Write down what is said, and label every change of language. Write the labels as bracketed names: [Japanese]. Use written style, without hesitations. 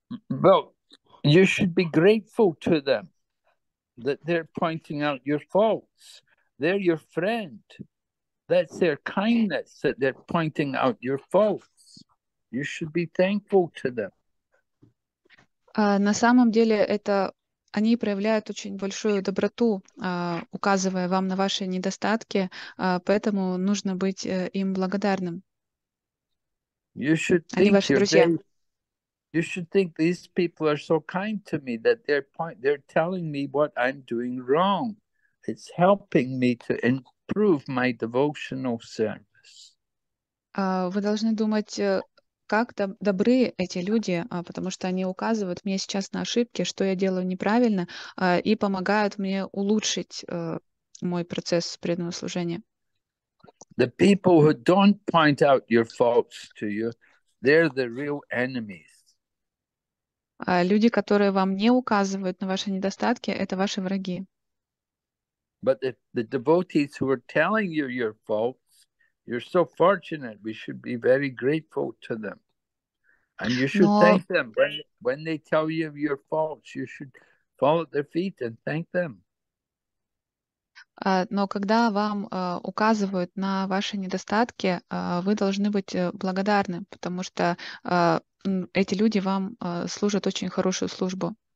[English] Well, you should be grateful to them that they're pointing out your faults. They're your friend. That's their kindness that they're pointing out your faults. You should be thankful to them. [Russian] На самом деле это они проявляют очень большую доброту, указывая вам на ваши недостатки, поэтому нужно быть им благодарным. Они ваши друзья. [English] You should think these people are so kind to me that they're telling me what I'm doing wrong. It's helping me to improve my devotional service. [Russian] Вы должны думать, как добры эти люди, потому что они указывают мне сейчас на ошибки, что я делаю неправильно, и помогают мне улучшить мой процесс преданного служения. [English] The people who don't point out your faults to you, they're the real enemies. [Russian] Люди, которые вам не указывают на ваши недостатки, это ваши враги. [English] But the devotees who are telling you your faults, you're so fortunate. We should be very grateful to them. And you should thank them. When they tell you your faults, you should fall at their feet and thank them. [Russian] Но когда вам указывают на ваши недостатки, вы должны быть благодарны, потому что эти люди вам служат очень хорошую службу.